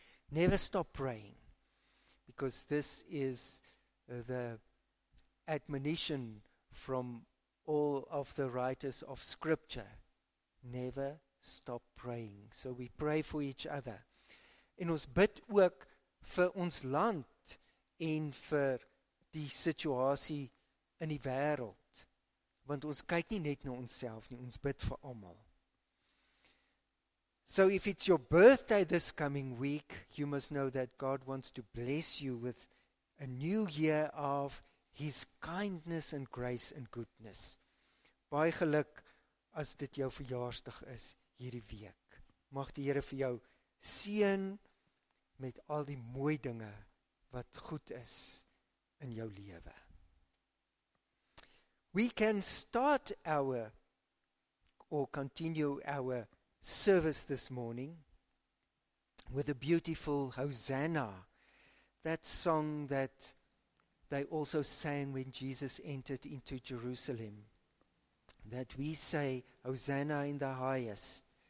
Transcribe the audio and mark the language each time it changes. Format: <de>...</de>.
<en>Never stop praying, because this is the admonition from all of the writers of Scripture. Never stop praying. So we pray for each other.</en> <af>En ons bid ook vir ons land en vir die situasie in die wêreld. Want ons kyk nie net na onsself nie, ons bid vir almal.</af> <en>So if it's your birthday this coming week, you must know that God wants to bless you with a new year of His kindness and grace and goodness.</en> <af>Baie geluk as dit jou verjaarsdag is hierdie week. Mag die Here vir jou seën met al die mooi dinge wat goed is in jou lewe.</af> <en>We can start our or continue our service this morning with a beautiful Hosanna. That song that they also sang when Jesus entered into Jerusalem, that we say, Hosanna in the highest.</en>